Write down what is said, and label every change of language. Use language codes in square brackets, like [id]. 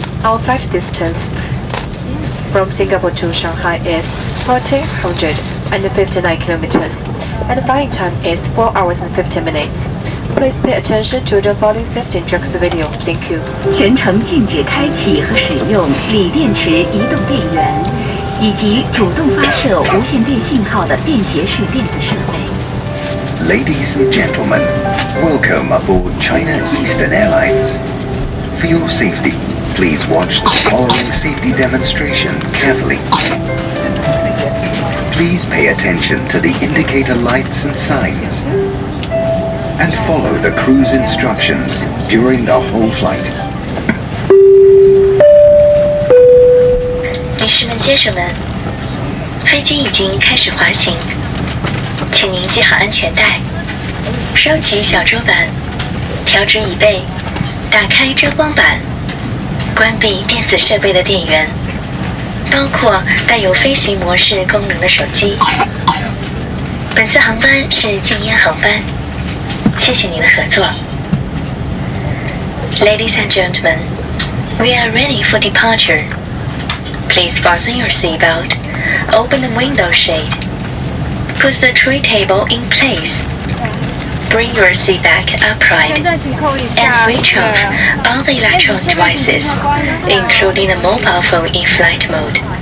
[en] Our flight distance from Singapore to Shanghai is 1459 kilometers, and the flying time is 4 hours and 15 minutes. Please pay attention to the following safety instructions video. Thank you. [zh] 全程禁止开启和使用锂电池移动电源以及主动发射无线电信号的便携式电子设备。 [en] Ladies and gentlemen, welcome aboard China Eastern Airlines. For your safety, please watch the following safety demonstration carefully. Please pay attention to the indicator lights and signs and follow the crew's instructions during the whole flight. [zh] 女士们、先生们，飞机已经开始滑行，请您系好安全带，收起小桌板，调整椅背，打开遮光板，关闭电子设备的电源，包括带有飞行模式功能的手机。本次航班是静音航班，谢谢您的合作。 [en] Ladies and gentlemen, we are ready for departureplease fasten your seatbelt, open the window shade, put the tray table in place, bring your seat back upright, and switch off all the electronic devices, including the mobile phone in flight mode.